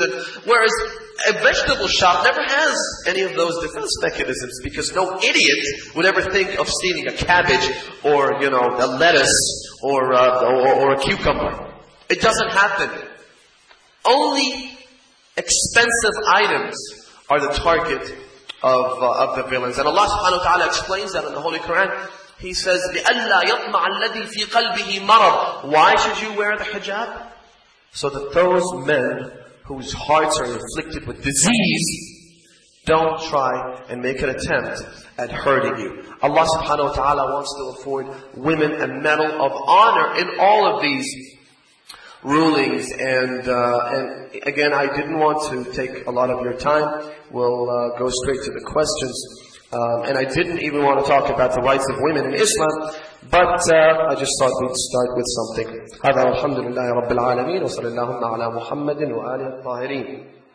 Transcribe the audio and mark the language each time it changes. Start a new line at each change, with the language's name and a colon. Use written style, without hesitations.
English: And whereas a vegetable shop never has any of those defense mechanisms, because no idiot would ever think of stealing a cabbage or, you know, a lettuce or a cucumber. It doesn't happen. Only expensive items are the target of the villains. And Allah subhanahu wa ta'ala explains that in the Holy Quran. He says,
Arabic: لِأَلَّا يَطْمَعَ الَّذِي فِي قَلْبِهِ مَرَضٍ.
English: Why should you wear the hijab? So that those men whose hearts are afflicted with disease don't try and make an attempt at hurting you. Allah subhanahu wa ta'ala wants to afford women a medal of honor in all of these rulings. And again, I didn't want to take a lot of your time. We'll go straight to the questions. And I didn't even want to talk about the rights of women in Islam. But I just thought we'd start with something.
Arabic: هذا الحمد لله رب العالمين وصلى الله على محمد وآله الطاهرين.